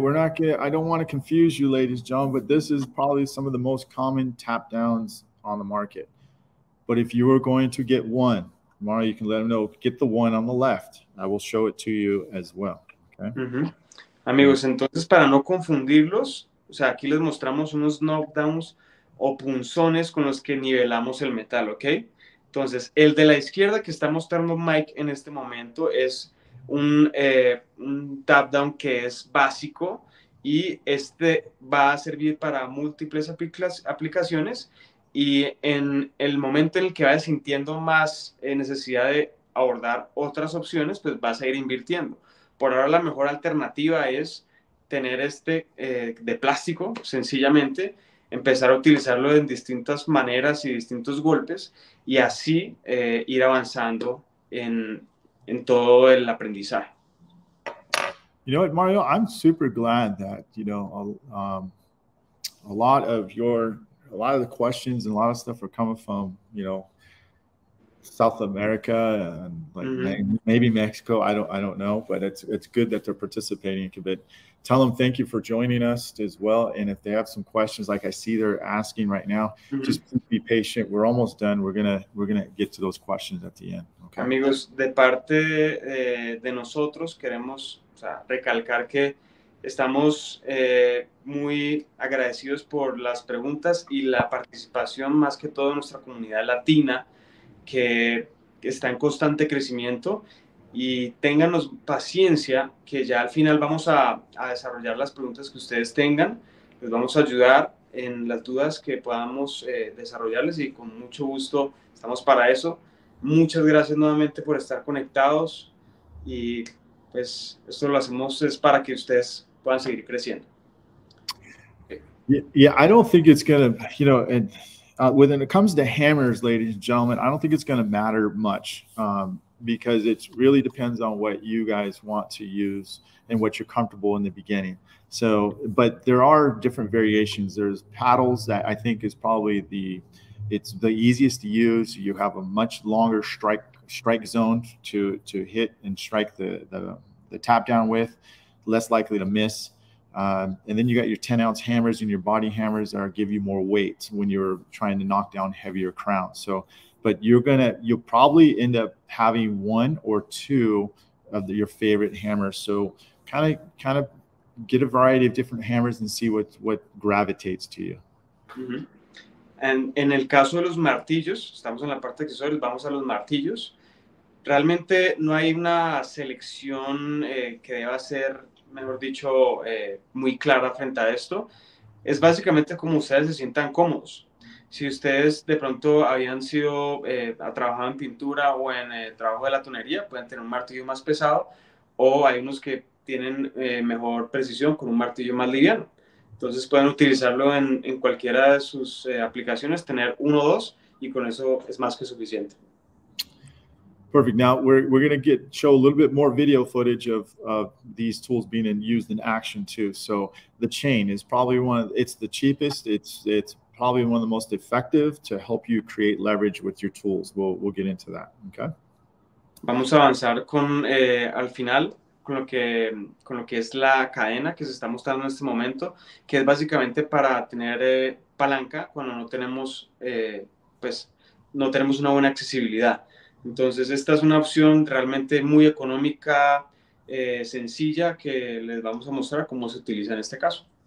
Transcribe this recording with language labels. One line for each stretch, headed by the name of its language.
English: We're not gonna, I don't want to confuse you, ladies and gentlemen, but this is probably some of the most common tap downs on the market. But if you are going to get one, Mario, you can let them know, get the one on the left. I will show it to you as well, okay? Mm-hmm.
Spanish: Amigos, entonces, para no confundirlos, o sea, aquí les mostramos unos knockdowns o punzones con los que nivelamos el metal, ¿ok? Entonces, el de la izquierda que está mostrando Myke en este momento es un tap down que es básico y este va a servir para múltiples aplicaciones y en el momento en el que vayas sintiendo más necesidad de abordar otras opciones, pues vas a ir invirtiendo. Por ahora, la mejor alternativa es tener este de plástico, sencillamente, empezar a utilizarlo en distintas maneras y distintos golpes y así ir avanzando en todo el aprendizaje.
English: You know what, Mario? I'm super glad that, you know, a lot of the questions and a lot of stuff are coming from, you know, South America and like maybe Mexico. I don't know, but it's good that they're participating a bit. Tell them thank you for joining us as well. And if they have some questions, like I see they're asking right now, just be patient. We're almost done. We're gonna get to those questions at the end. Okay.
Spanish: Amigos, de parte de nosotros queremos recalcar que estamos muy agradecidos por las preguntas y la participación, más que todo, de nuestra comunidad latina, que está en constante crecimiento. Y ténganos paciencia, que ya al final vamos a desarrollar las preguntas que ustedes tengan. Les vamos a ayudar en las dudas que podamos desarrollarles, y con mucho gusto estamos para eso. Muchas gracias nuevamente por estar conectados, y pues esto lo hacemos es para que ustedes puedan seguir creciendo.
English: Yeah, I don't think it's gonna, you know, and when it comes to hammers, ladies and gentlemen, I don't think it's gonna matter much, because it really depends on what you guys want to use and what you're comfortable in the beginning. So, but there are different variations. There's paddles that I think is probably it's the easiest to use. You have a much longer strike zone to hit and strike the tap down with, less likely to miss. And then you got your 10-ounce hammers and your body hammers that give you more weight when you're trying to knock down heavier crowns. So, but you'll probably end up having one or two of your favorite hammers. So kind of get a variety of different hammers and see what gravitates to you. And mm-hmm.
Spanish: En el caso de los martillos, estamos en la parte de accesorios, vamos a los martillos. Realmente no hay una selección que deba ser, mejor dicho, muy clara frente a esto. Es básicamente como ustedes se sientan cómodos. Si ustedes de pronto habían sido a trabajar en pintura o en trabajo de latonería, pueden tener un martillo más pesado, o hay unos que tienen mejor precisión con un martillo más liviano. Entonces pueden utilizarlo en cualquiera de sus aplicaciones, tener uno o dos, y con eso es más que suficiente.
English: Perfect. Now we're going to show a little bit more video footage of these tools being used in action too. So the chain is probably it's the cheapest. It's probably one of the most effective to help you create leverage with your tools. We'll get into that. Okay.
Spanish: Vamos a avanzar con al final con lo que es la cadena que se está mostrando en este momento, que es básicamente para tener palanca cuando no tenemos una buena accesibilidad. Entonces, esta es una opción realmente muy económica, sencilla, que les vamos a mostrar cómo se utiliza en este caso.